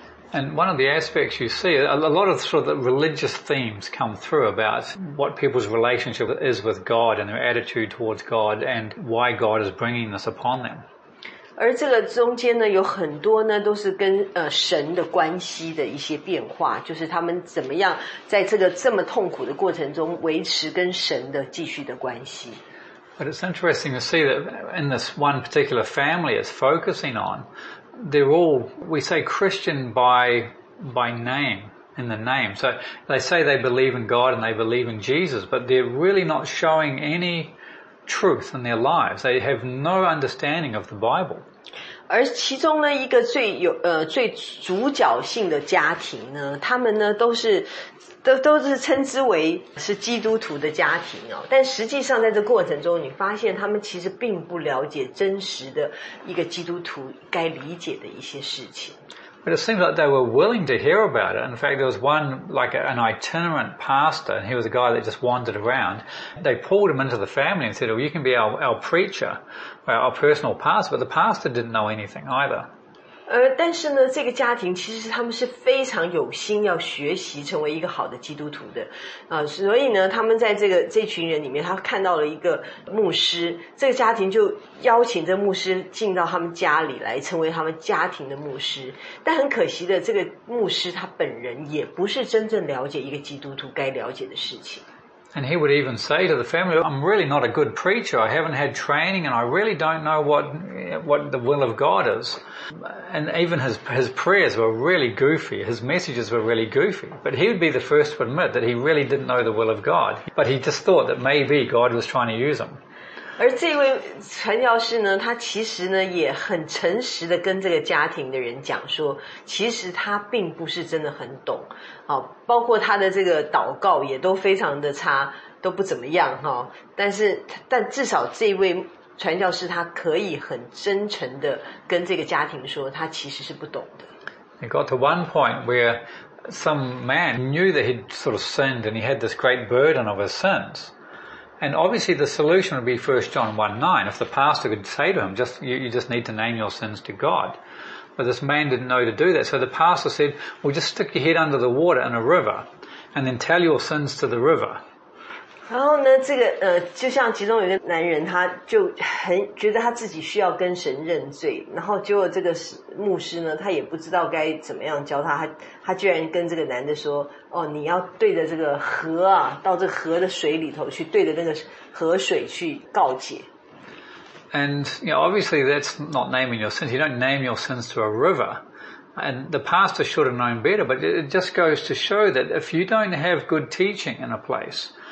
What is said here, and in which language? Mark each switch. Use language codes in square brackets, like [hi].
[en] And one of the aspects you see, a lot of sort of the religious themes come through about what people's relationship is with God and their attitude towards God and why God is bringing this upon them. [zh] 而这个中间呢有很多呢都是跟神的关系的一些变化，就是他们怎么样在这个这么痛苦的过程中维持跟神的继续的关系。 [en] But it's interesting to see that in this one particular family it's focusing on, they're all, we say Christian by name, in the name. So they say they believe in God and they believe in Jesus, but they're really not showing any... truth in their lives. They have no understanding of the Bible. [zh] 而其中呢一个最有最主角性的家庭呢，他们呢都是称之为是基督徒的家庭哦。但实际上在这过程中，你发现他们其实并不了解真实的一个基督徒该理解的一些事情。 [en] But it seems like they were willing to hear about it. In fact, there was one, like an itinerant pastor, and he was a guy that just wandered around. They pulled him into the family and said, well, you can be our preacher, our personal pastor. But the pastor didn't know anything either. [zh] 但是呢，这个家庭其实他们是非常有心要学习成为一个好的基督徒的，所以呢，他们在这群人里面，他看到了一个牧师，这个家庭就邀请这牧师进到他们家里来，成为他们家庭的牧师。但很可惜的，这个牧师他本人也不是真正了解一个基督徒该了解的事情。 [en] And he would even say to the family, I'm really not a good preacher. I haven't had training and I really don't know what the will of God is. And even his prayers were really goofy. His messages were really goofy. But he would be the first to admit that he really didn't know the will of God. But he just thought that maybe God was trying to use him. [zh] 而这位传教士呢，他其实呢也很诚实的跟这个家庭的人讲说，其实他并不是真的很懂，包括他的这个祷告也都非常的差，都不怎么样，但至少这位传教士他可以很真诚的跟这个家庭说，他其实是不懂的。 [en] It got to one point where some man knew that he'd sort of sinned and he had this great burden of his sins. And obviously the solution would be 1 John 1:9, if the pastor could say to him, you just need to name your sins to God. But this man didn't know to do that. So the pastor said, well, just stick your head under the water in a river, and then tell your sins to the river. [zh] 然后呢，这个就像其中有一个男人，他就很觉得他自己需要跟神认罪，然后结果这个牧师呢，他也不知道该怎么样教他，他居然跟这个男的说，哦，你要对着这个河啊，到这河的水里头去，对着那个河水去告解。 [en] And you know, obviously that's not naming your sins. You don't name your sins to a river. And the pastor should have known better. But it just goes to show that if you don't have good teaching in a place.